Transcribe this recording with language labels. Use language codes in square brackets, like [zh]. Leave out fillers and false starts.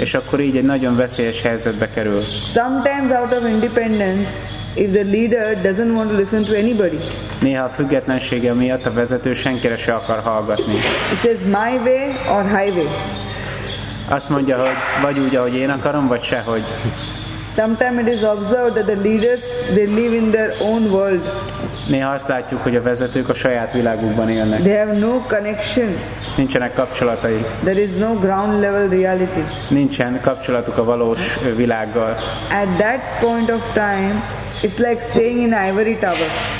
[hu] És akkor így egy nagyon veszélyes helyzetbe kerül. [en] Sometimes out of independence, if the leader doesn't want to listen to anybody. [hu] Néha a függetlensége miatt a vezető senkire se akar hallgatni. [en] It says my way or highway. [hu] Azt mondja, hogy vagy úgy, ahogy én akarom, vagy sehogy. [en] Sometimes it is observed that the leaders, they live in their own world. [hu] Néha azt látjuk, hogy a vezetők a saját világukban élnek. [en] They have no connection. [hu] Nincsenek kapcsolataik. [en] There is no ground level reality. [hu] Nincsen kapcsolatuk a valós világgal. [en] At that point of time, it's like staying in an ivory tower.